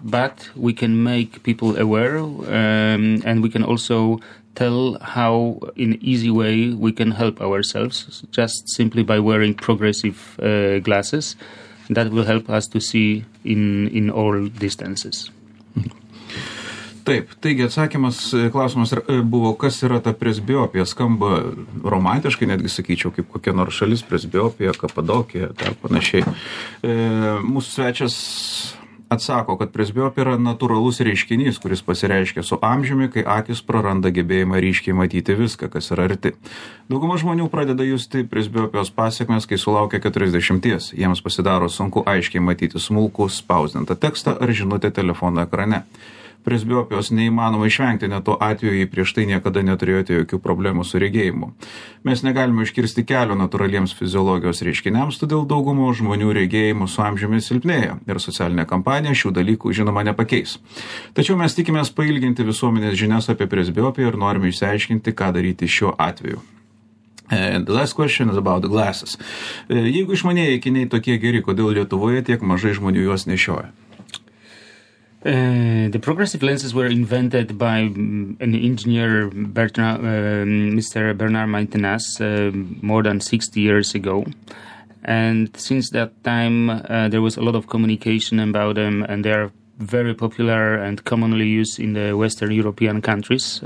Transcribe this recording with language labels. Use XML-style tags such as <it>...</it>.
<en>But we can make people aware, and we can also tell how, in easy way, we can help ourselves, just simply by wearing progressive glasses. That will help us to see in all distances.</en> <lt>Taip, taigi atsakymas, klausimas buvo, kas yra ta presbiopija, skamba romantiškai, netgi sakyčiau, kaip kokia nors šalis, presbiopija, Kapadokija, tai panašiai. Mūsų svečias atsako, kad presbiopija yra natūralus reiškinys, kuris pasireiškia su amžiumi, kai akis praranda gebėjimą ryškiai matyti viską, kas yra arti. Dauguma žmonių pradeda justi presbiopijos pasekmes, kai sulaukia 40-ties. Jiems pasidaro sunku aiškiai matyti smulkų, spausdintą tekstą ar žinutę telefono ekrane. Presbiopijos neįmanoma išvengti, net tuo atveju jį prieš tai niekada neturėjote jokių problemų su regėjimu. Mes negalime iškirsti kelio natūraliems fiziologijos reiškiniams, todėl daugumo žmonių regėjimų su amžiumi silpnėja, ir socialinė kampanija šių dalykų, žinoma, nepakeis. Tačiau mes tikimės pailginti visuomenės žinias apie presbiopiją ir norime išsiaiškinti, ką daryti šiuo atveju.</lt> <en>And the last question is about the glasses.</en> <lt>Jeigu išmanėjai akiniai tokie geri, kodėl Lietuvoje tiek mažai žmonių juos nešioja?</lt> <en>The progressive lenses were invented by an engineer, Mr. Bernard Maintenas, more than 60 years ago. And since that time, there was a lot of communication about them, and they are very popular and commonly used in the Western European countries.</en>